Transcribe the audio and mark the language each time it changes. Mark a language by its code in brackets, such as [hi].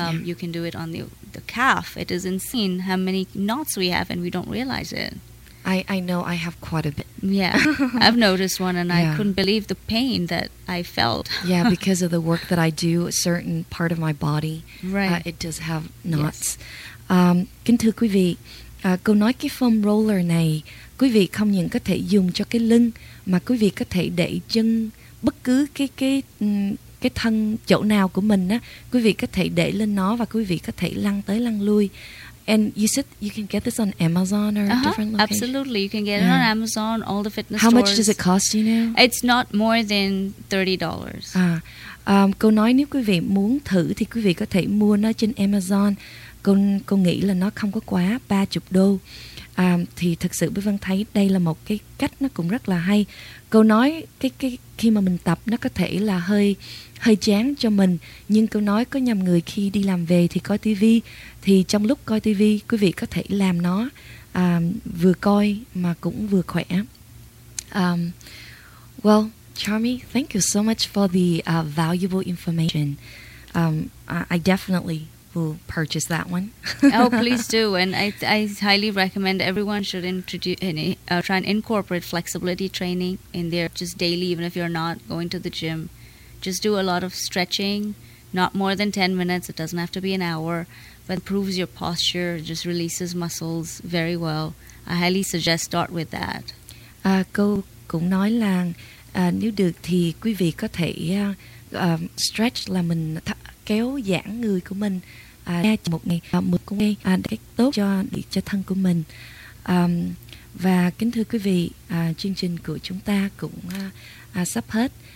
[en] You can do it on the calf. It is insane how many knots we have and we don't realize it. I know I have quite a bit. Yeah, I've noticed one, and I couldn't believe the pain that I felt. Yeah, because of the work that I do, a certain part of my body, It does have knots. Yes. [vi] Kính thưa quý vị, câu nói cái foam roller này, quý vị không những có thể dùng cho cái lưng, mà quý vị có thể để chân bất cứ cái thân chỗ nào của mình á, quý vị có thể để lên nó và quý vị có thể lăn tới lăn lui. [en] And you said you can get this on Amazon or different locations? Absolutely. You can get it on Amazon, all the fitness How stores. How much does it cost you now? It's not more than $30. [vi] Cô nói nếu quý vị muốn thử thì quý vị có thể mua nó trên Amazon. Cô nghĩ là nó không có quá $30. Thì thật sự Bích Vân thấy đây là một cái cách nó cũng rất là hay. Cô nói cái khi mà mình tập nó có thể là hơi chán cho mình, nhưng cô nói có nhầm người khi đi làm về thì coi TV, thì trong lúc coi TV quý vị có thể làm nó vừa coi mà cũng vừa khỏe. [en] Well, Charmy, thank you so much for the valuable information. I definitely will purchase that one. Oh, please do, and I highly recommend everyone should try and incorporate flexibility training in their just daily, even if you're not going to the gym. Just do a lot of stretching, not more than 10 minutes. It doesn't have to be an hour, but it improves your posture, just releases muscles very well. I highly suggest start with that. [vi] Cô cũng nói là nếu được thì quý vị có thể stretch là mình kéo giãn người của mình một ngày, một cũng ngay cách tốt cho thân của mình. Và kính thưa quý vị, chương trình của chúng ta cũng sắp hết.